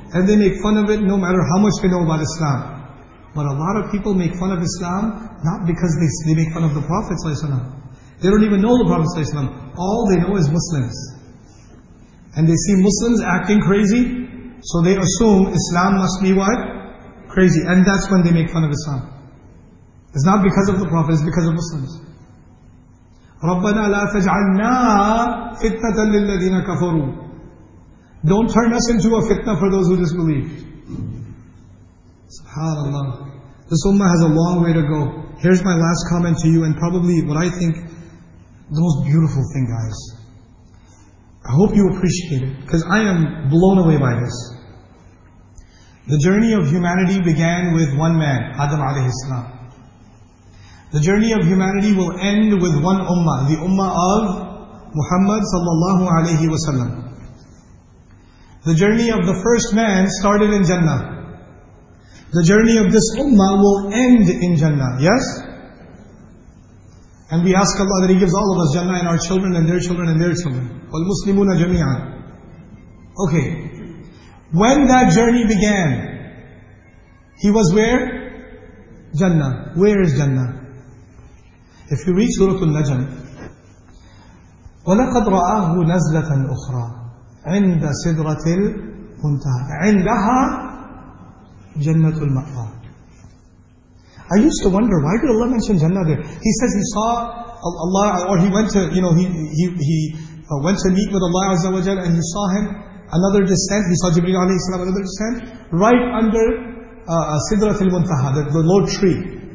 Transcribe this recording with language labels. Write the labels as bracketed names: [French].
[English] And they make fun of it no matter how much they know about Islam. But a lot of people make fun of Islam not because they make fun of the Prophet ﷺ. They don't even know the Prophet ﷺ. All they know is Muslims. And they see Muslims acting crazy, so they assume Islam must be what? Crazy. And that's when they make fun of Islam. It's not because of the Prophet, it's because of Muslims. [Arabic] ربنا لا تجعلنا فتنة للذين كفروا. [English] Don't turn us into a fitna for those who disbelieve. Subhanallah. This ummah has a long way to go. Here's my last comment to you, and probably what I think the most beautiful thing, guys. I hope you appreciate it, because I am blown away by this. The journey of humanity began with one man, Adam alayhi salam. The journey of humanity will end with one ummah, the ummah of Muhammad sallallahu alayhi wa sallam. The journey of the first man started in Jannah. The journey of this ummah will end in Jannah, yes? And we ask Allah that He gives all of us Jannah, and our children and their children and their children. [Arabic] وَالْمُسْلِمُونَ جَمِيعًا. [English] Okay. When that journey began, he was where? Jannah. Where is Jannah? If you read Surah Al-Najm, [Arabic] وَلَقَدْ رَآهُ نَزْلَةً أُخْرَى عِنْدَ سِدْرَةِ الْمُنْتَهَى عِنْدَهَا جَنَّةُ الْمَأْوَى. [English] I used to wonder, why did Allah mention Jannah there? He says he saw Allah, or he went to, you know, he went to meet with Allah Azza wa Jal, and he saw him, another descent, he saw Jibreel alayhi salam, another descent, right under Sidratul Muntaha, the low tree.